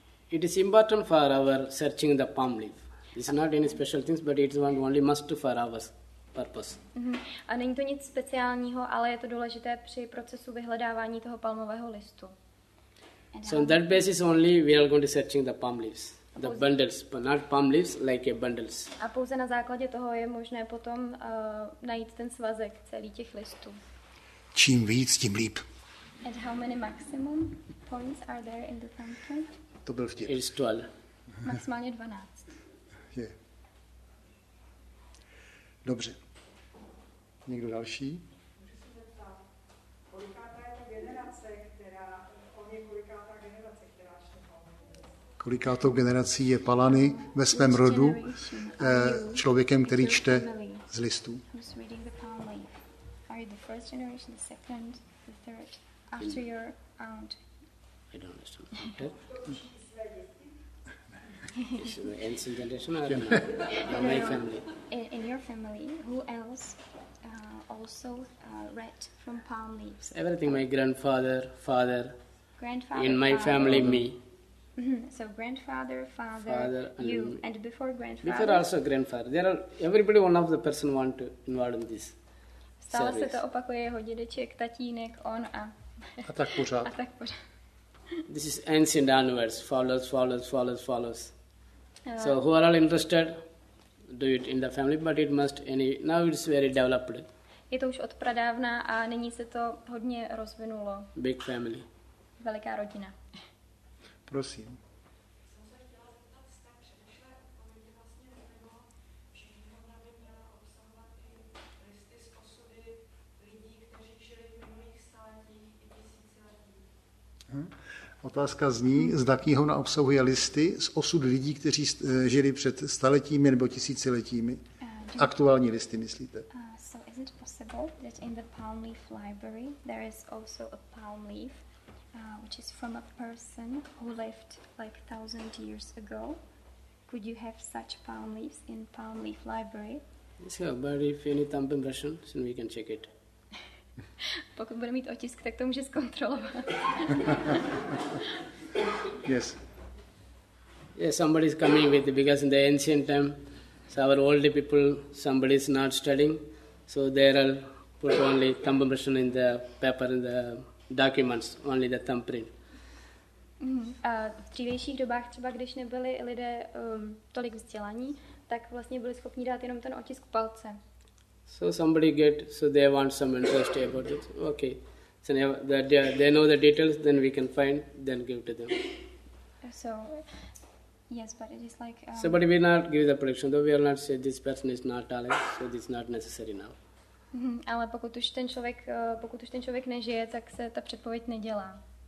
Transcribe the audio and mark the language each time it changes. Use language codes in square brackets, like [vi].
[en] It is important for our searching the palm leaf. It's not any special things, but it's one only must for our purpose. Mm-hmm. [cs] A není to nic speciálního, ale je to důležité při procesu vyhledávání toho palmového listu. [en] And so on that basis only we are going to searching the palm leaves, the bundles, but not palm leaves like a bundles. [cs] A pouze na základě toho je možné potom najít ten svazek celý těch listů. Čím víc, tím líp. [en] And how many maximum points are there in the thumbprint? [cs] To byl vtip. [en] It's 12. [cs] Maximálně 12. Je. Dobře. Někdo další? Můžu se zeptat, kolikátá je ta generace, která, o mě kolikátá generace, která čte? Kolikátou generací je Palani ve svém rodu člověkem, který čte z listů? [en] Who's reading the palm leaf? Are you the first generation, the second, the third? After your aunt. I don't understand. Is it an ancient generation or not? My family. In your family, who else also read from palm leaves? Everything, my grandfather, father. Grandfather, in my father. Family, me. So grandfather, father, and you, and before grandfather. Before also grandfather. There are everybody one of the person want to involve in this. [cs] Stále se to opakuje, jeho dědeček, tatínek, on a... A tak pořád. A tak pořád. [en] This is ancient universe, follows. So who are all interested, do it in the family, but it must any... Now it's very developed. [cs] Je to už od pradávna a nyní se to hodně rozvinulo. [en] Big family. [cs] Veliká rodina. Prosím. Otázka zní, zda knihovna obsahuje listy z osud lidí, kteří žili před staletími nebo tisíciletími. Aktuální listy, myslíte? [en] So is it possible that in the palm leaf library there is also a palm leaf which is from a person who lived like 1000 years ago? Could you have such palm leaves in palm leaf library? So, but if you need thumb impression, then we can check it. [cs] Pokud bude mít otisk, tak to může zkontrolovat. [en] Yes. Yes, somebody is coming with it, because in the ancient time, so our old people, somebody is not studying, so they are put only thumb impression in the paper, in the documents, only the thumbprint. [cs] A v dřívejších dobách třeba, když nebyli lidé tolik vzdělaní, tak vlastně byli schopni dát jenom ten otisk palce. [en] So somebody get, so they want some interest about it. Okay. So they know the details, then we can find, then give to them. So, yes, but it is like... So, but we not give the prediction, though we are not say this person is not talent, so this is not necessary now. [cs] Ale pokud už ten člověk nežije, tak se ta předpověď nedělá.